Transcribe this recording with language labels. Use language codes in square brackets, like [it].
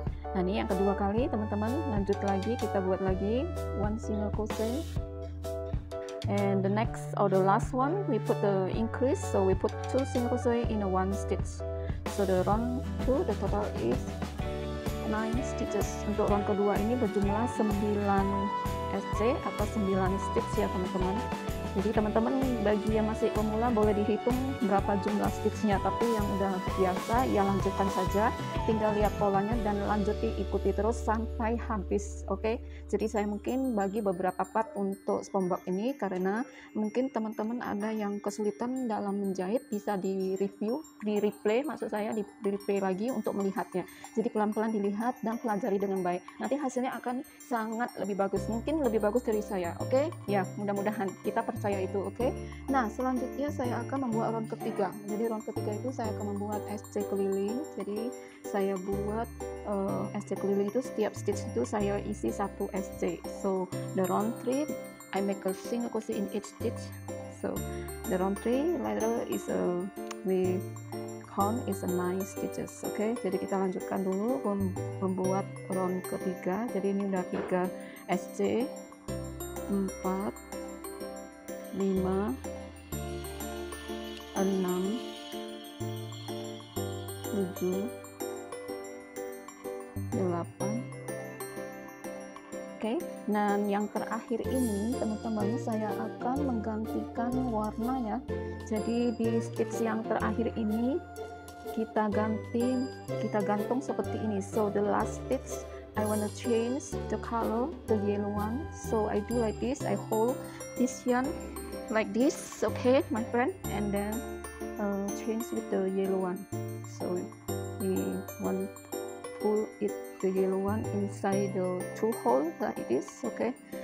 [id] Nah, ini yang kedua kali, teman-teman. Lanjut lagi, kita buat lagi 1 single crochet. [en] And the next or the last one, we put the increase. So we put 2 single crochet in a 1 stitch. So the round 2, the total is 9 stitches. [id] Untuk round kedua ini berjumlah 9 SC atau 9 stitch ya teman-teman. Jadi teman-teman bagi yang masih pemula boleh dihitung berapa jumlah stitchnya, tapi yang udah biasa ya lanjutkan saja, tinggal lihat polanya dan lanjuti ikuti terus sampai habis, oke? Jadi saya mungkin bagi beberapa part untuk spombok ini karena mungkin teman-teman ada yang kesulitan dalam menjahit, bisa di replay lagi untuk melihatnya. Jadi pelan-pelan dilihat dan pelajari dengan baik, nanti hasilnya akan sangat lebih bagus, mungkin lebih bagus dari saya, oke? Ya mudah-mudahan kita percaya itu, oke? Nah selanjutnya saya akan membuat round ketiga. Jadi round ketiga itu saya akan membuat SC keliling. Jadi saya buat SC keliling itu setiap stitch itu saya isi 1 SC. [en] So the round 3 I make a single crochet in each stitch. So the round 3 later is we count is 9 stitches. [id] Oke, jadi kita lanjutkan dulu membuat round ketiga. Jadi ini udah 3 SC, 4, 5, 6, 7, 8. Oke, dan yang terakhir ini teman-teman saya akan menggantikan warna ya. Jadi di stitch yang terakhir ini kita gantung seperti ini. [en] So the last stitch I wanna change the color, the yellow one. So I do like this, I hold this yarn like this, okay my friend, and then change with the yellow one. So we want pull it the yellow one inside the two hole like this, okay.